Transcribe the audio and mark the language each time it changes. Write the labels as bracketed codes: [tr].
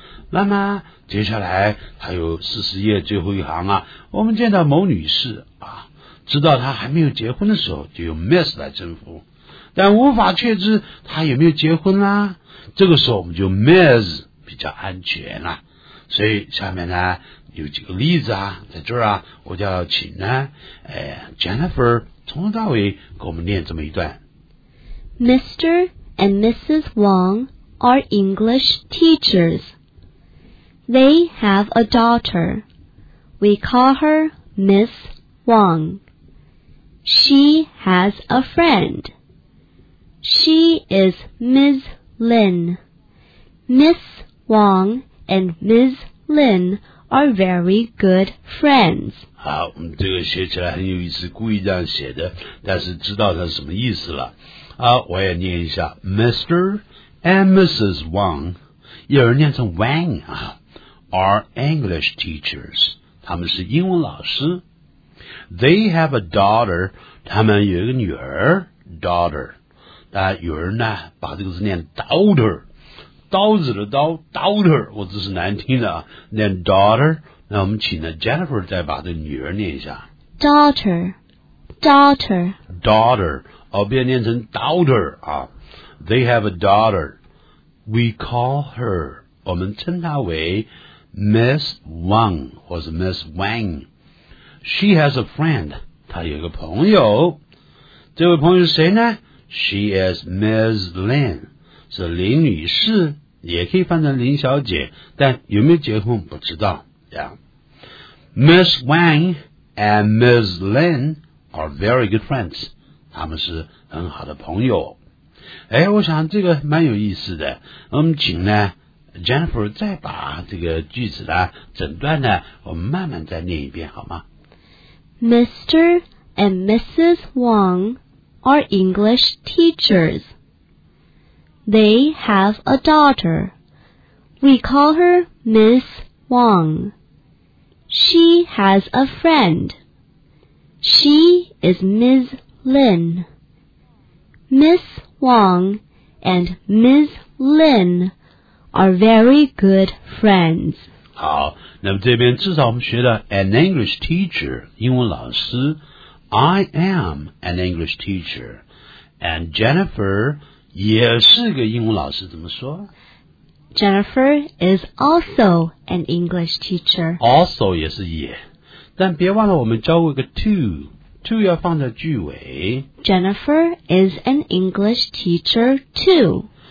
[zh] 那么接下来还有40页最后一行啊，我们见到某女士啊，知道她还没有结婚的时候就用 Miss 来称呼，但无法确知她有没有结婚啦、啊、这个时候我们就 Miss 比较安全啦、啊、所以下面呢有几个例子啊，在这儿啊我就要请呢、Jennifer 从头到尾给我们念这么一段 [en] Mr. and Mrs. Wang are English teachersThey have a daughter. We call her Miss Wang. She has a friend. She is Ms. Lin. Miss Wang and Ms. Lin are very good friends. [zh] 好，我们这个写起来很有意思，故意这样写的，但是知道它是什么意思了。我也念一下 [en] Mr. and Mrs. Wang. [zh] 有人念成 [en] Wang 啊。Are English teachers. [zh] 他们是英文老师。 [en] They have a daughter. [zh] 他们有一个女儿。Daughter. 那有人呢把这个字念 daughter. 刀子的刀 daughter. 我这是难听的啊。念 daughter. 那我们请呢 Jennifer 再把这个女儿念一下。 [en] Daughter. Daughter. Daughter. [zh] 哦别念成 daughter 啊。 [en] They have a daughter. We call her. [zh] 我们称她为Miss Wang 或是 Miss Wang， [en] She has a friend. [zh] 她有个朋友。这位朋友是谁呢？ [en] She is Ms. Lin. [zh] 是林女士，也可以翻成林小姐，但有没有结婚不知道。 [en] Ms. Wang and Ms. Lin are very good friends. [zh] 他们是很好的朋友。哎，我想这个蛮有意思的。我们请呢Jennifer 再把这个句子的整段呢，我们慢慢再念一遍好吗？ [en] Mr. and Mrs. Wang are English teachers. They have a daughter. We call her Miss Wang. She has a friend. She is Ms. Lin. Miss Wang and Ms. Lin are very good friends. [zh] 好，那么这边至少我们学了 [en] an English teacher, [zh] 英文老师。 [en] I am an English teacher. And Jennifer [zh] 也是个英文老师，怎么说？ [en] Jennifer is also an English teacher. [zh] Also 也是也。但别忘了我们教过一个 to。 To 要放在句尾。 [en] Jennifer is an English teacher too.